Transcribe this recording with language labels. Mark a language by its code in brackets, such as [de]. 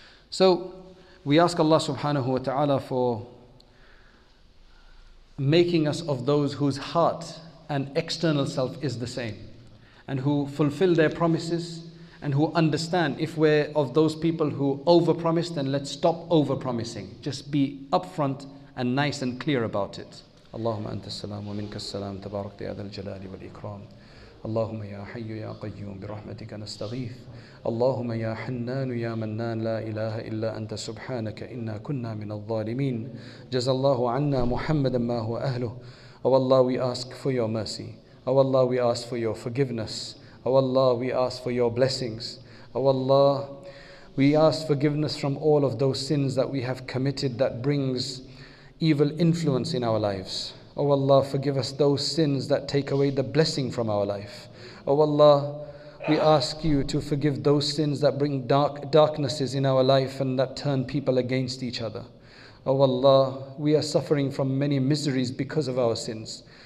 [en] So we ask Allah subhanahu wa ta'ala for making us of those whose heart and external self is the same, and who fulfill their promises, and who understand if we're of those people who overpromise, then let's stop overpromising. Just be upfront and nice and clear about it. [ar] اللهم أنت السلام ومنك السلام تبارك يا ذا الجلال والإكرام اللهم يا حي يا قيوم برحمتك نستغيث اللهم يا حنان يا منان لا إله إلا أنت سبحانك إنا كنا من الظالمين جزى الله عنا محمدا ما هو أهله [en] أو الله we ask for your mercy أو الله we ask for your forgiveness أو الله we ask for your blessings أو الله we ask forgiveness from all of those sins that we have committed that brings evil influence in our lives. O Allah, forgive us those sins that take away the blessing from our life. O Allah, we ask you to forgive those sins that bring darknesses in our life and that turn people against each other. O Allah, we are suffering from many miseries because of our sins.